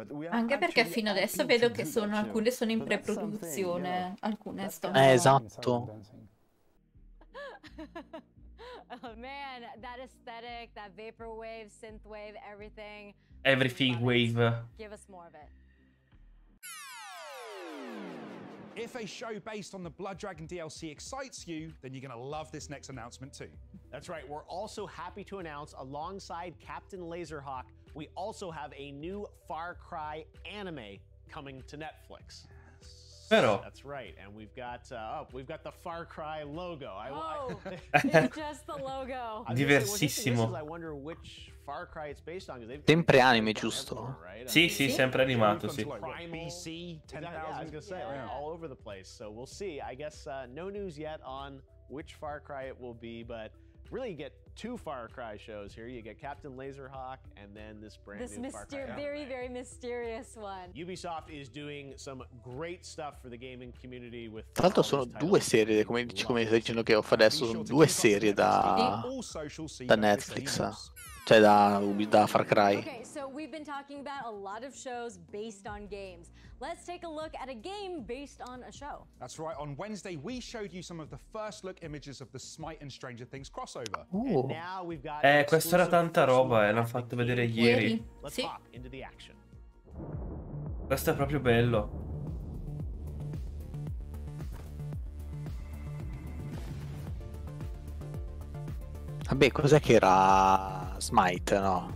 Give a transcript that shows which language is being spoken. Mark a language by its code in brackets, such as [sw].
[it] Anche perché fino adesso vedo che sono, alcune sono in pre-produzione, alcune sto... esatto. [en] Oh man, that aesthetic, that vaporwave, synthwave, everything. Everything wave. Give us more of it. If a show based on the Blood Dragon DLC excites you, then you're gonna love this next announcement too. That's right, we're also happy to announce, alongside Captain Laserhawk, we also have a new Far Cry anime coming to Netflix. [it] Pero. [en] That's right, and we've got we've got the Far Cry logo. It's just the logo. [it] Diversissimo. [en] I wonder which Far Cry it's based on. [it] Sempre anime, giusto? Sì, sì, sempre animato, sì. [en] BC 10,000 to say, right? All over the place. So we'll see. I guess no news yet on which Far Cry it will be, but really you get two Far Cry shows here. You get Captain Laserhawk and then this brand this new Far Cry anime. Very, very mysterious one. Ubisoft is doing some great stuff for the gaming community with... [it] Tra l'altro sono due serie, come dici, come stai dicendo che ho fa adesso, sono due serie da Netflix. Cioè da Far Cry. [en] Okay, so we've been talking about a lot of shows based on games. Let's take a look at a game based on a show. That's right. On Wednesday, we showed you some of the first look images of the Smite and Stranger Things crossover. And now we've got... [it] questa era tanta roba, l'hanno fatto vedere ieri. [en] Let's hop into the action. [it] Questo è proprio bello. Vabbè, cos'è che era Smite, no?